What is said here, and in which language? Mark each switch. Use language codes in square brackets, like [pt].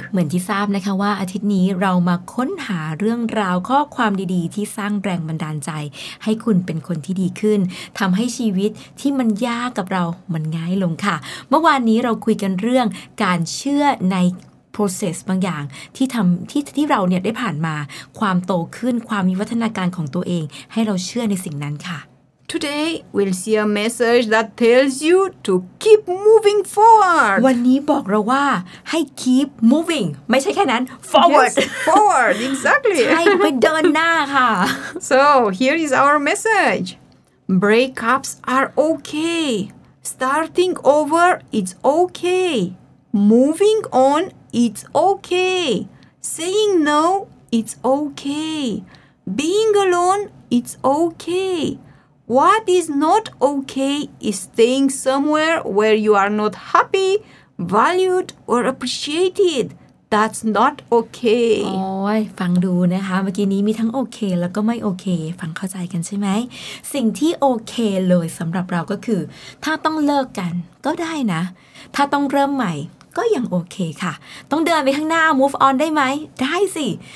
[th] เหมือนที่ทราบนะคะว่าอาทิตย์นี้เรามาค้นหาเรื่องราวข้อความดีๆที่สร้างแรงบันดาลใจให้คุณเป็นคนที่ดีขึ้นทำให้ชีวิตที่มันยากกับเรามันง่ายลงค่ะเมื่อวานนี้เราคุยกันเรื่องการเชื่อในprocess บางอย่างที่ทำที่เราเนี่ยได้ผ่านมาความโตขึ้นความมีวัฒนาการของตัวเองให้เราเชื่อในสิ่งนั้นค่ะ [en] Today, we'll see a message that tells you to keep moving forward. [th] วันนี้บอกเราว่าให้ [en] keep moving. [th] ไม่ใช่แค่นั้น forward. [en] Yes, forward, exactly. [th] ใช่ไปเดินหน้าค่ะ [en] So, here is our message. Breakups are okay. Starting over, it's okay. Moving on, it's okay. Saying no, it's okay. Being alone, it's okay. What is not okay is staying somewhere where you are not happy, valued, or appreciated. That's not okay. [th] โอ้ยฟังดูนะคะเมื่อกี้นี้มีทั้งโอเคแล้วก็ไม่โอเคฟังเข้าใจกันใช่ไหมสิ่งที่โอเคเลยสำหรับเราก็คือถ้าต้องเลิกกันก็ได้นะถ้าต้องเริ่มใหม่ก็ยังโอเคค่ะต้องเดินไปข้างหน้า move on ได้ไหมได้สิ